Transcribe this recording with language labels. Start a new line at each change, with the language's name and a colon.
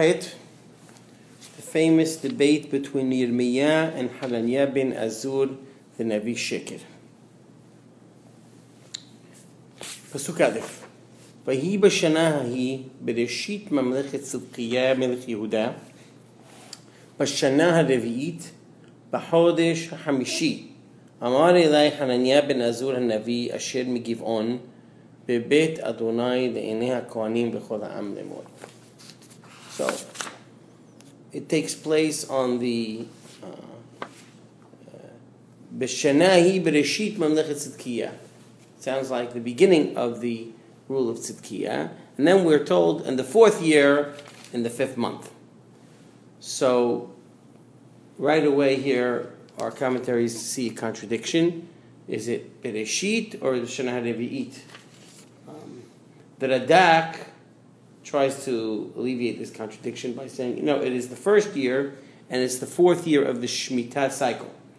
English: the famous debate between Yirmiyah and Hananiah ben Azur, the Navi Sheker.
Hebrew: פסוק א', ויהי בשנה ההיא, בראשית ממלכת צדקיה, מלך יהודה, בשנה הרביעית, בחודש החמישי, אמר אלי חנניה בן עזור הנביא, אשר מגבעון, בבית אדוני לעיני הכהנים וכל העם לאמור.
English: So, it takes place on the...
Hebrew: בשנה ההיא, בראשית ממלכת צדקיה.
English: Sounds like the beginning of the rule of Tzidkiyah. And then we're told, in the fourth year, in the fifth month. So, right away here, our commentaries see a contradiction. Is it Bereshit or the Shana HaRevi'it? The Radak tries to alleviate this contradiction by saying, no, it is the first year, and it's the fourth year of the Shemitah cycle.